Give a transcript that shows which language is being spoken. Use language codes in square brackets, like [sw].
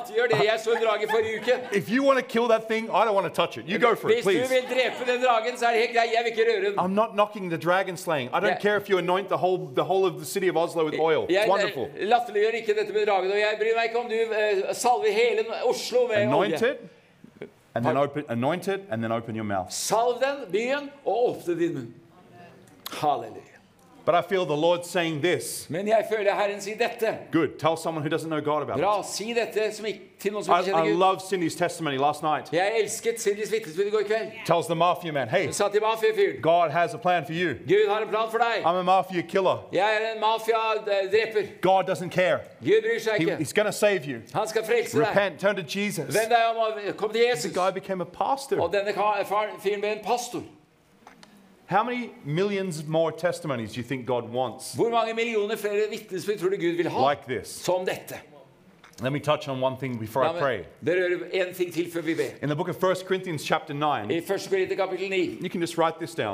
[en] If you want to kill that thing, I don't want to touch it. You go for it, please. [no] Hvis du vil drepe den dragen, så det helt, jeg vil ikke røre den. [en] I'm not knocking the dragon slaying. I don't care if you anoint the whole of the city of Oslo with oil. It's wonderful. [no] Latterliggjør ikke dette med dragen, og jeg bryr meg ikke om du salver hele Oslo med olje. [en] Anoint it? And then anoint it, and then open your mouth. [no] Salv den, byen, og åpne din munn. Halleluja. [en] But I feel the Lord saying this. [no] Men jeg føler Herren sier dette. [en] Good. Tell someone who doesn't know God about [no] Bra, [en] it. [no] Bra, si dette som ikke, til noen som ikke kjenner [en] Gud. I love Cindy's testimony last night. [no] Jeg elsket Cindy's vittnesbyrd i går kveld. [en] Yeah. Tells the mafia man, hey. [no] Sa til mafia-fyren. [en] God has a plan for you. [no] Gud har en plan for deg. [en] I'm a mafia killer. [no] Jeg en mafia-dreper. [en] God doesn't care. [no] Gud bryr seg ikke. [en] He's going to save you. [no] Han skal frelse deg. [en] Repent, turn to Jesus. [no] Vend deg om og kom til Jesus. [en] The guy became a pastor. [no] Og denne fyren ble en pastor. [en] How many millions more testimonies do you think God wants? [no] Hvor mange millioner flere vitnesbyrd tror du Gud vil ha? [en] Like this. [no] Som dette. [en] Let me touch on one thing before I pray. [no] En ting til før vi ber. [en] In the book of 1 Corinthians chapter 9. [no] I 1. Korinther kapittel 9. [en] You can just write this down.